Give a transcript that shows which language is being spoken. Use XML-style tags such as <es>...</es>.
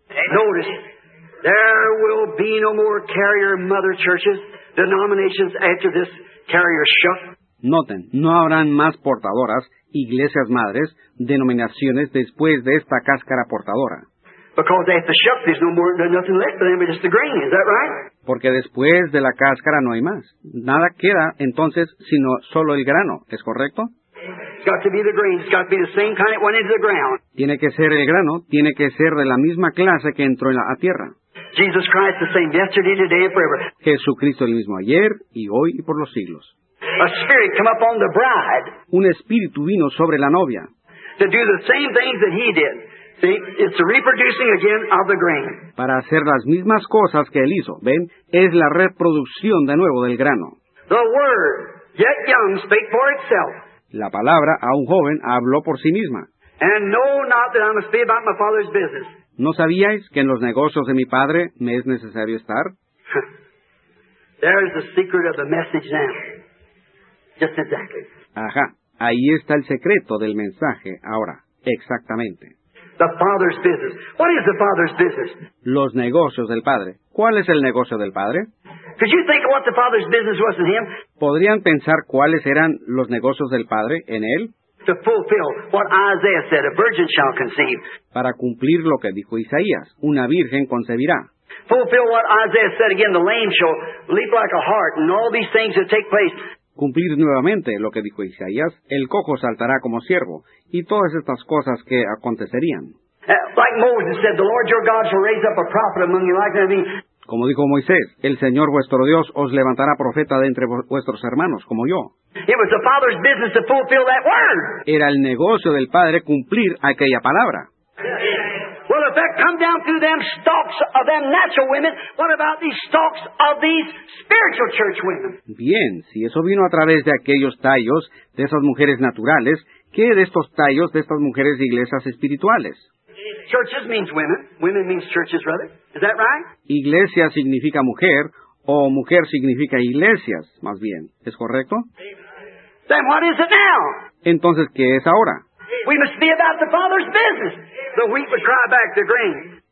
<en>Notice, there will be no more carrier mother churches, denominations after this carrier shuck.</en> <es>Noten, no habrán más portadoras, iglesias madres, denominaciones después de esta cáscara portadora.</es> <en>Because after the shuck, there's no more, there's nothing left for them, but just the grain, is that right?</en> <es>Porque después de la cáscara no hay más. Nada queda, entonces, sino solo el grano, ¿es correcto?</es> <en>It's got to be the grain. It's got to be the same kind that went into the ground.</en> <es>Tiene que ser el grano. Tiene que ser de la misma clase que entró en la tierra.</es> <en>Jesus Christ the same yesterday, today, and forever.</en> <es>Jesucristo el mismo ayer, y hoy, y por los siglos.</es> <en>A spirit come up on the bride.</en> <es>Un espíritu vino sobre la novia.</es> <en>To do the same things that he did. See, it's reproducing again of the grain.</en> <es>Para hacer las mismas cosas que él hizo. ¿Ven? Es la reproducción de nuevo del grano.</es> <en>The word, yet young, spake for itself.</en> <es>La palabra a un joven habló por sí misma.</es> <en>And know not that I must be about my father's business.</en> <es>¿No sabíais que en los negocios de mi padre me es necesario estar?</es> <en>There is the secret of the message now. Just exactly. Ajá.</en> <es>Ahí está el secreto del mensaje ahora. Exactamente.</es> <en>The father's business. What is the father's business?</en> <es>Los negocios del padre. ¿Cuál es el negocio del padre?</es> <en>Could you think of what the father's business was in him?</en> <es>¿Podrían pensar cuáles eran los negocios del padre en él?</es> <en>To fulfill what Isaiah said, a virgin shall conceive.</en> <es>Para cumplir lo que dijo Isaías, una virgen concebirá.</es> <en>Fulfill what Isaiah said again, the lame shall leap like a hart, and all these things that take place.</en> <es>Cumplir nuevamente lo que dijo Isaías, el cojo saltará como ciervo, y todas estas cosas que acontecerían.</es> <en>Like Moses said, the Lord your God shall raise up a prophet among you like me.</en> <es>Como dijo Moisés, el Señor vuestro Dios os levantará profeta de entre vuestros hermanos, como yo.</es> <en>It was the Father's business to fulfill that word.</en> <es>Era el negocio del Padre cumplir aquella palabra.</es> <en>Well, if that come down through them stalks of them natural women, what about these stalks of these spiritual church women?</en> <es>Bien, si eso vino a través de aquellos tallos, de esas mujeres naturales, ¿qué de estos tallos de estas mujeres de iglesias espirituales?</es> <en>Churches means women. Women means churches, rather. Is that right?</en> <es>Iglesia significa mujer, o mujer significa iglesias, más bien. ¿Es correcto?</es> <en>Then what is it now?</en> <es>Entonces, ¿qué es ahora?</es> <en>We must be about the Father's business. The wheat would cry back the grain.</en>